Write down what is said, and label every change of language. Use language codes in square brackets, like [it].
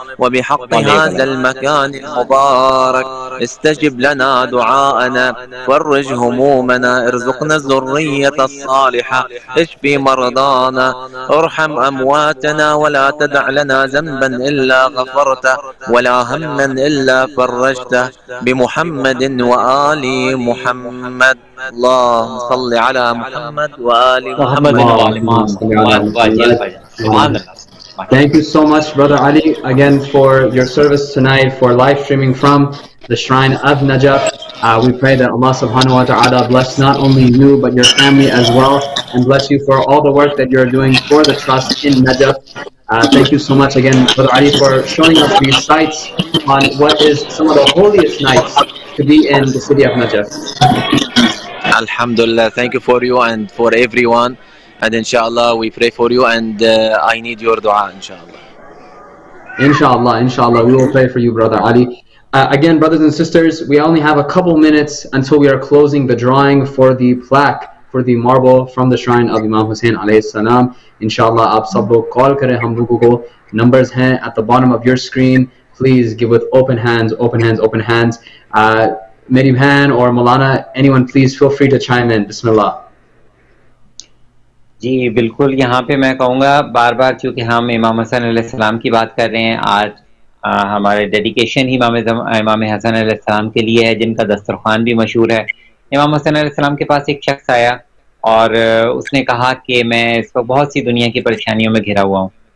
[ar] وبحق هذا المكان المبارك استجب لنا دعاءنا فرج همومنا ارزقنا الذرية الصالحة اشفي مرضانا ارحم أمواتنا ولا تدع لنا ذنبا إلا غفرته ولا هما إلا فرجته بمحمد وآل محمد اللهم صل على محمد وآل محمد وآل محمد. [en] Thank you so much, Brother Ali, again for your service tonight, for live streaming from the Shrine of Najaf. We pray that Allah subhanahu wa ta'ala bless not only you, but your family as well, and bless you for all the work that you're doing for the trust in Najaf. Thank you so much again, Brother Ali, for showing us these sites on what is some of the holiest nights to be in the city of Najaf. Alhamdulillah, thank you for you and for everyone. And inshallah, we pray for you and I need your dua, inshallah. Inshallah, inshallah, we will pray for you, Brother Ali. Again, brothers and sisters, we only have a couple minutes until we are closing the drawing for the plaque, for the marble from the shrine of Imam Hussain alayhi salam. [hi] Inshallah, aap sabko call kare hum logo ko. Numbers hain [en] at the bottom of your screen. Please give with open hands, open hands, open hands. Meri Bhan or Malana, anyone, please feel free to chime in. [ar] Bismillah. [hi] जी बिल्कुल, यहाँ पे मैं कहूँगा बार बार, क्योंकि हम इमाम हसन अलैहिस्सलाम की बात कर रहे हैं आज, हमारे डेडिकेशन ही इमाम हसन अलैहिस्सलाम के लिए है, जिनका दस्तरखान भी मशहूर है। इमाम हसन अलैहिस्सलाम के पास एक शख्स आया और उसने कहा कि मैं इस वक्त बहुत सी दुनिया की परेशानियों में घिरा हुआ हूँ।